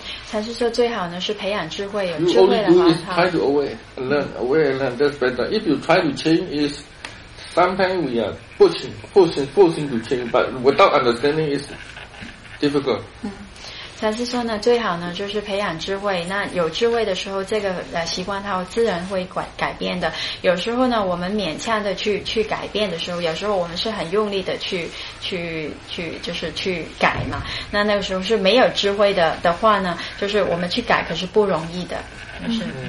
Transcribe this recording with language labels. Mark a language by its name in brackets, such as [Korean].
[Chinese] 禅师说最好呢是培养智慧，有智慧的话。 [English] You only do is try to aware, learn, aware and learn. That's better. If you try to change, is sometimes we are pushing to change, but without understanding is difficult. [Chinese] 禅师说呢，最好呢就是培养智慧，那有智慧的时候，这个习惯它自然会改变的。有时候呢我们勉强的去改变的时候，有时候我们是很用力的去就是去改嘛，那个时候是没有智慧的话呢，就是我们去改可是不容易的，就是